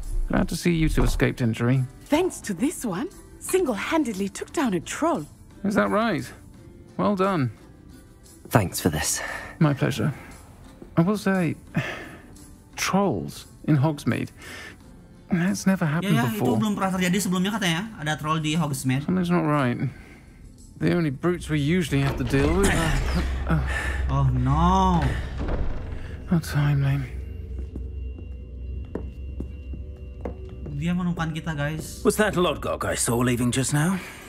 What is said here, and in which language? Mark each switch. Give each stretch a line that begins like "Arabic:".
English: Glad to see you two escaped injury. Thanks to this one, single-handedly took down a troll. Is that right? Well done. Thanks for this. My pleasure. I will say, trolls in Hogsmeade, that's never happened before.
Indonesian: Itu belum pernah terjadi sebelumnya katanya, ada troll di Hogsmeade.
English: Something's not right. The only brutes we usually have to deal with are... Oh no! How timely.
Indonesian: Dia menumpukan kita, guys.
English: Was that Lodgok I saw leaving just now?